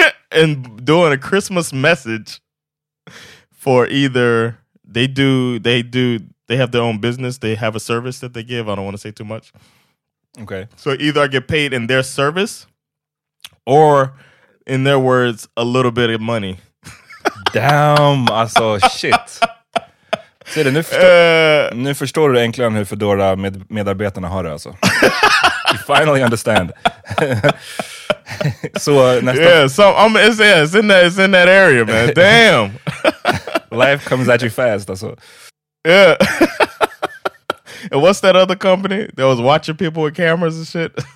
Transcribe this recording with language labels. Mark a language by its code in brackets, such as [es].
[en] And doing a Christmas message for either they have their own business, they have a service that they give. I don't want to say too much. Okay. So either I get paid in their service or, in their words, a little bit of money. Damn, I saw shit. [sv] Ser du, nu förstår du enklare hur fördåra medarbetarna har det alltså. [en] You finally understand. So it's in that area, man. Damn. Life comes at you fast, that's what. Yeah. And what's that other company that was watching people with cameras and shit?